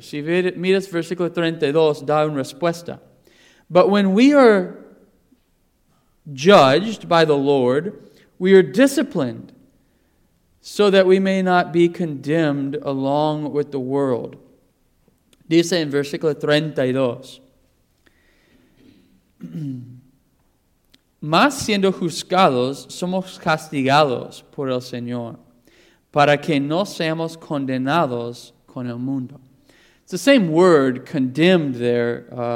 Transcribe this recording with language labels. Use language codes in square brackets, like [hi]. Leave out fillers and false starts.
[es] Si miras versículo 32, da una respuesta. [en] But when we are judged by the Lord, we are disciplined so that we may not be condemned along with the world. [es] Dice en versículo 32. Mas siendo juzgados, somos castigados por el Señor, para que no seamos condenados con el mundo. [en] It's the same word, condemned there.